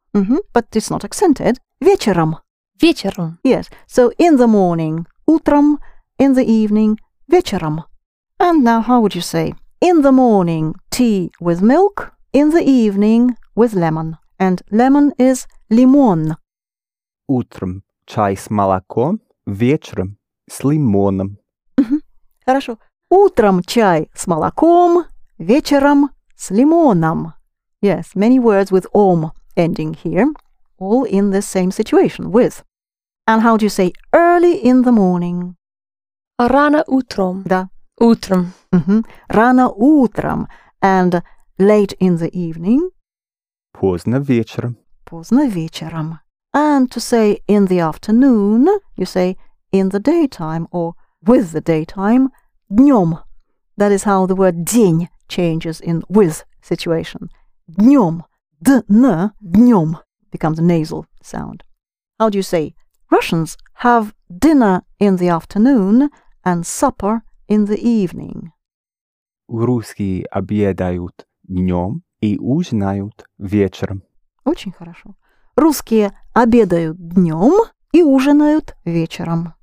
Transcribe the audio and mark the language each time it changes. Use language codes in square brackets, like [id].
[en] Mm-hmm, but it's not accented. Вечером. [ru] Вечером. [en] Yes. So in the morning, утром, in the evening, вечером. And now how would you say? In the morning, tea with milk, in the evening, with lemon. And lemon is лимон. [ru] Утром чай с молоком, вечером с лимоном. Mm-hmm. Хорошо. Утром чай с молоком, вечером с лимоном. [en] Yes, many words with om ending here, all in the same situation, with. And how do you say early in the morning? [ru] Рано утром. Да. Утром. [en] Mm-hmm. [ru] Рано утром. [en] And late in the evening? [ru] Поздно вечером. Поздно вечером. [en] And to say in the afternoon, you say in the daytime or with the daytime, днём. That is how the word день changes in with situation. Днём, д-н, днём, becomes a nasal sound. How do you say, Russians have dinner in the afternoon and supper in the evening? [ru] Русские обедают днём и ужинают вечером. Очень хорошо. Русские обедают днём и ужинают вечером.